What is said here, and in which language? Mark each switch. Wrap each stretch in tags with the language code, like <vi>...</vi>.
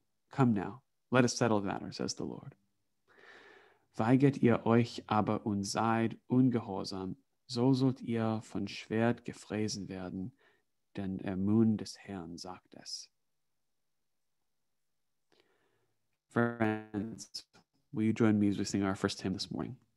<en>Come now, let us settle the matter, says the Lord.</en> <de>Weiget ihr euch aber und seid ungehorsam, so sollt ihr von Schwert gefressen werden, denn der Mund des Herrn sagt es.</de> <en>Friends, will you join me as we sing our first hymn this morning?</en>